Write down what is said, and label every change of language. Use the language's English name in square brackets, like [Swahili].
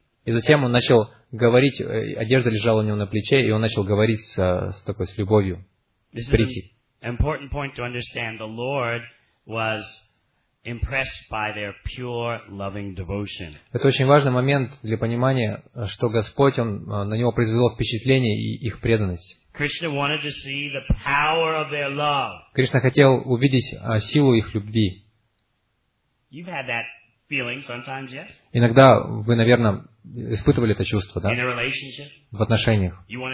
[Russian] И затем он начал говорить, одежда лежала у него на плече, и он начал говорить с такой с любовью. [English] Preeti. Important point to understand, the Lord was impressed by their pure loving devotion. [Russian] Это очень важный момент для понимания, что Господь, он на него произвело впечатление и их преданность. [English] Krishna wanted to see the power of their love. [Russian] Кришна хотел увидеть силу их любви. [English] You've had that feeling sometimes, yes? [Russian] Иногда вы, наверное, испытывали это чувство, да? В отношениях.